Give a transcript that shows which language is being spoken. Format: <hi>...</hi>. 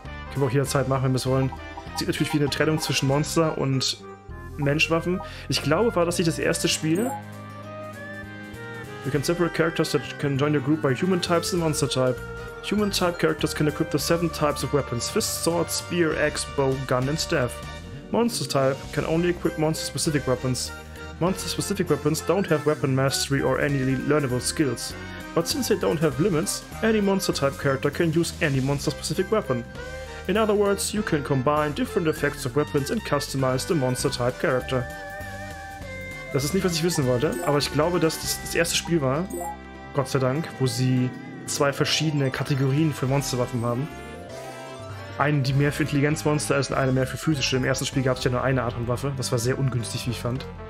<de>Können wir auch jederzeit machen, wenn wir es wollen. Sieht natürlich wie eine Trennung zwischen Monster- und Menschwaffen. Ich glaube, war das nicht das erste Spiel?</de> <en>You can separate characters that can join your group by human types and monster type. Human type characters can equip the 7 types of weapons: fist, sword, spear, axe, bow, gun and staff. Monster type can only equip monster specific weapons. Monster specific weapons don't have weapon mastery or any learnable skills. But since they don't have limits, any monster type character can use any monster specific weapon. In other words, you can combine different effects of weapons and customize the monster type character.</en> <de>Das ist nicht, was ich wissen wollte, aber ich glaube, dass das das erste Spiel war, Gott sei Dank, wo sie zwei verschiedene Kategorien für Monsterwaffen haben. Eine, die mehr für Intelligenzmonster ist und eine mehr für physische. Im ersten Spiel gab es ja nur eine Art von Waffe. Das war sehr ungünstig, wie ich fand.</de>